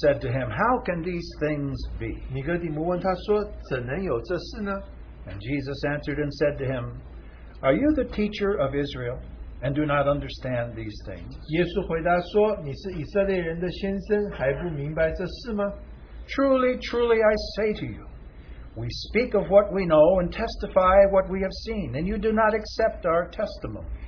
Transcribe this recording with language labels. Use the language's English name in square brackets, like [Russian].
[English] said to him, How can these things be? [Chinese] 尼哥底母问他说，怎能有这事呢？ [English] And Jesus answered and said to him, Are you the teacher of Israel, and do not understand these things? [Chinese] 耶稣回答说，你是以色列人的先生，还不明白这事吗？ [English] Truly, truly, I say to you, We speak of what we know and testify what we have seen, and you do not accept our testimony.